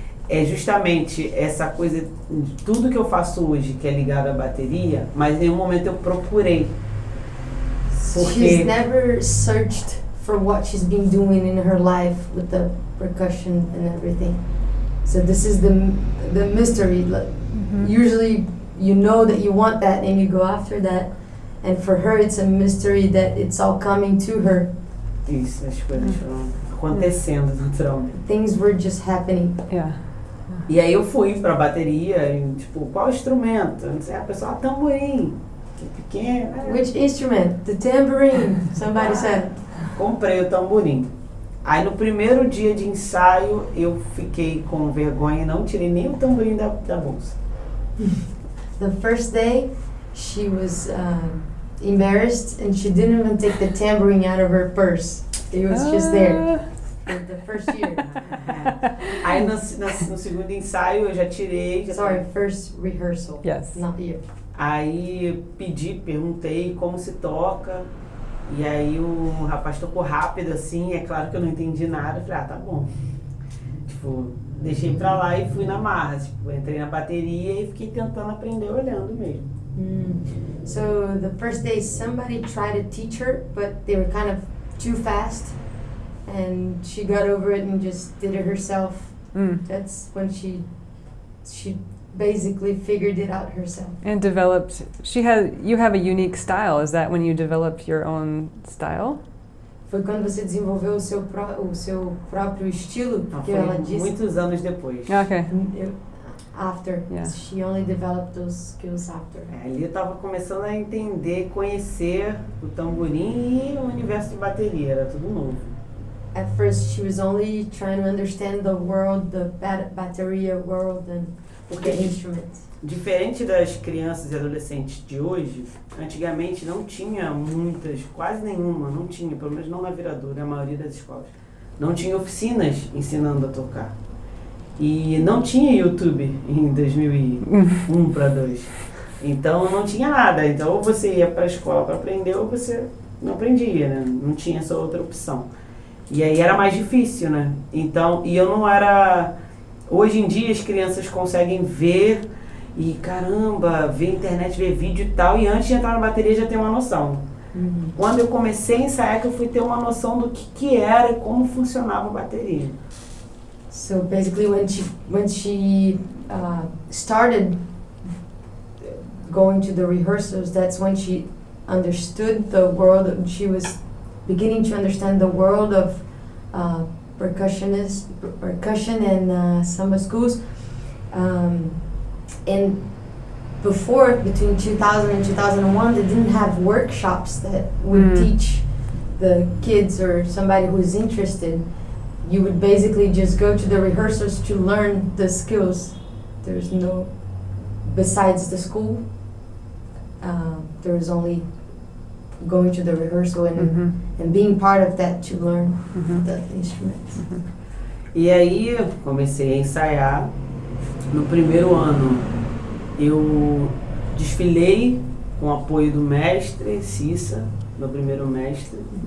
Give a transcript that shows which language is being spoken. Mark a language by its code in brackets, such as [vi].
[pt] É justamente essa coisa, tudo que eu faço hoje que é ligado à bateria, mas em um momento eu procurei. Porque... [en] She's never searched for what she's been doing in her life with the percussion and everything. So this is the mystery. Mm-hmm. Usually you know that you want that and you go after that. And for her, it's a mystery that it's all coming to her. [pt] Isso, as coisas foram acontecendo naturalmente. [en] Things were just happening. Yeah. [pt] E aí eu fui pra bateria e tipo, qual instrumento? Não sei, a pessoa, tamborim. Que pequeno. [en] Which instrument? The tambourine, somebody said. [pt] Comprei o tamborim. Aí no primeiro dia de ensaio, eu fiquei com vergonha e não tirei nem o tamborim da bolsa. [en] The first day, she was embarrassed and she didn't even take the tambourine out of her purse. It was just there. The first year. [pt] Aí no segundo ensaio eu já tirei. [en] Sorry, first rehearsal. Yes. Not here. [pt] Aí pedi, perguntei como se toca. E aí o rapaz tocou rápido assim. É claro que eu não entendi nada. Falei, ah, tá bom. Tipo, deixei pra lá e fui na marra. Tipo, entrei na bateria e fiquei tentando aprender olhando mesmo. [en] So the first day somebody tried to teach her, but they were kind of too fast and she got over it and just did it herself. That's when she basically figured it out herself. And developed, you have a unique style. Is that when you developed your own style? [pt] Foi quando você desenvolveu o seu próprio estilo, que ela disse. Muitos anos depois. [en] Okay. After, yeah. She only developed those skills after. [pt] Ali eu tava começando a entender, conhecer o tamborim e o universo de bateria, era tudo novo. [en] At first she was only trying to understand the world, the bateria world and the instrument. [pt] Diferente das crianças e adolescentes de hoje, antigamente não tinha muitas, quase nenhuma, não tinha, pelo menos não na viradora, na maioria das escolas. Não tinha oficinas ensinando a tocar. E não tinha YouTube em 2001 para 2. Então não tinha nada. Então ou você ia para a escola para aprender ou você não aprendia, né? Não tinha essa outra opção. E aí era mais difícil, né? Então, e eu não era. Hoje em dia as crianças conseguem ver e caramba, ver internet, ver vídeo e tal. E antes de entrar na bateria já tem uma noção. Quando eu comecei a ensaiar, que eu fui ter uma noção do que era e como funcionava a bateria. [en] So basically, when she started going to the rehearsals, that's when she understood the world. She was beginning to understand the world of percussion and samba schools. And before, between 2000 and 2001, they didn't have workshops that would teach the kids or somebody who is interested. You would basically just go to the rehearsals to learn the skills. There's no, besides the school, there is only going to the rehearsal and and being part of that to learn the instruments. [pt] E aí eu comecei a ensaiar. No primeiro ano, eu desfilei com o apoio do mestre, Cissa, meu primeiro mestre.